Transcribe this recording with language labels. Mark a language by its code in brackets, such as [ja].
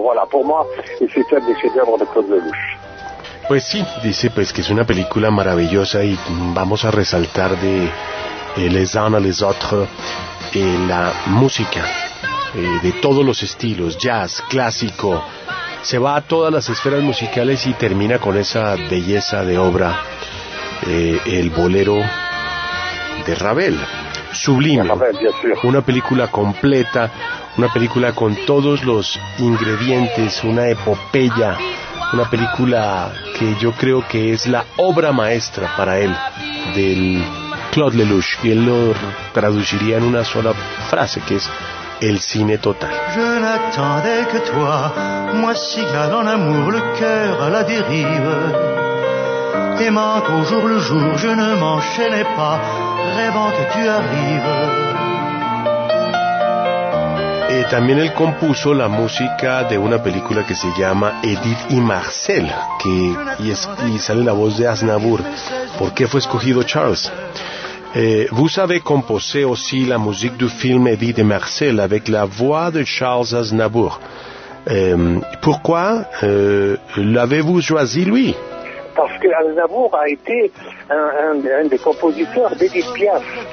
[fr] Voilà, pour moi, c'est un des chefs-d'œuvre de Claude Lelouch. [es] Pues sí, dice pues que es una película maravillosa, y vamos a resaltar de Les Uns a les Autres la música de todos los estilos: jazz, clásico. Se va a todas las esferas musicales y termina con esa belleza de obra, el bolero de Ravel. Sublime. Una película completa, una película con todos los ingredientes, una epopeya, una película que yo creo que es la obra maestra para él, del Claude Lelouch, y él lo traduciría en una sola frase, que es el cine total. [fr] Je n'attendais que toi, moi cigale en amour, le cœur à la dérive, aimant au jour le jour, je ne m'enchaînais pas, rêvant que tu arrives. [es] También él compuso la música de una película que se llama Edith y Marcel, y sale la voz de Aznavour. ¿Por qué fue escogido Charles? [fr] Vous savez composer aussi la musique du film Edith et Marcel avec la voix de Charles Aznavour. Pourquoi l'avez-vous choisi, lui? Parce que Aznavour a été un des compositeurs d'Edith Piaf.